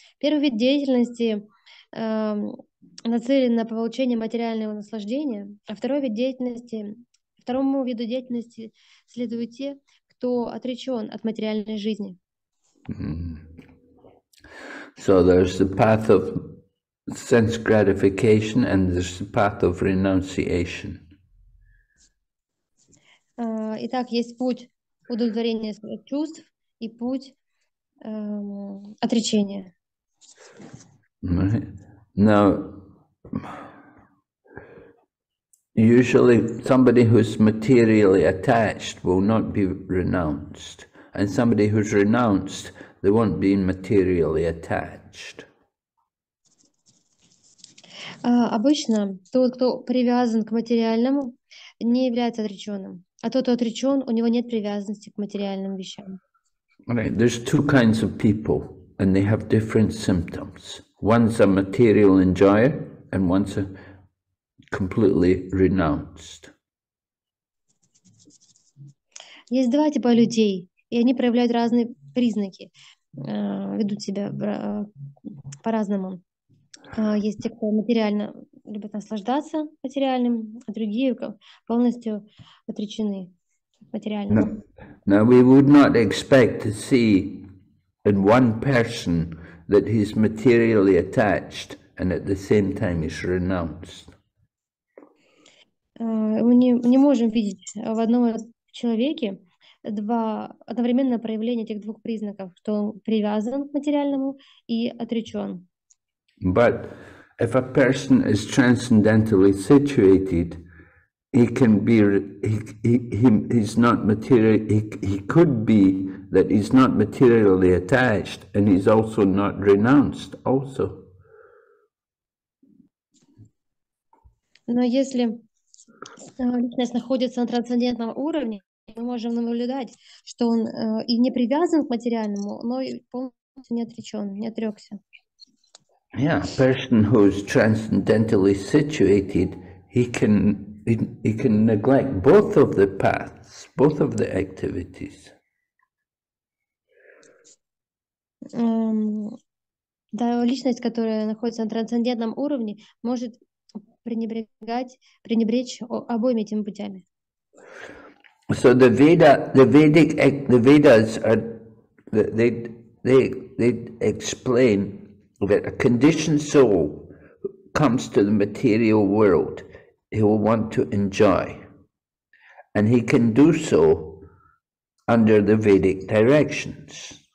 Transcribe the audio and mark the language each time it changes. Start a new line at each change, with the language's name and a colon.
Russian: Первый вид деятельности нацелен на получение материального наслаждения, а второй вид деятельности, второму виду деятельности следуют те, кто отречен от материальной жизни.
English: So there's the path of sense gratification and there's the path of renunciation.
Russian: Итак, есть путь удовлетворения своих чувств и путь отречения.
English: Right. Now, usually somebody who's materially attached will not be renounced, and somebody who's renounced, they won't be materially attached.
Russian: Обычно тот, кто привязан к материальному, не является отреченным. А тот, кто отречен, у него нет привязанности к материальным вещам.
English: Right. There's two kinds of people, and they have different symptoms. One's a material enjoyer, and one's a completely renounced.
Russian: Есть два типа людей, и они проявляют разные признаки, ведут себя по-разному. Есть те, кто материально любят наслаждаться материальным, а другие полностью отречены материально.
English: Now we would not expect to see in one person that he's materially attached and at the same time he's renounced.
Russian: Мы не можем видеть в одном человеке два одновременно проявления этих двух признаков, что он привязан к материальному и отречен.
English: But if a person is transcendentally situated, he can be he's not material. He could be that he's not materially attached, and he's also not renounced. Also.
Russian: Но если личность находится на трансцендентном уровне, мы можем наблюдать, что он и не привязан к материальному, но и полностью не отречен, не отрекся.
English: Yeah, a person who is transcendentally situated, he can neglect both of the paths, both of the activities.
Russian: Да, личность, которая находится на трансцендентном уровне, может пренебречь обоими этими путями.
English: So the Vedas explain that a conditioned soul comes to the material world, he will want to enjoy, and he can do so under the Vedic directions.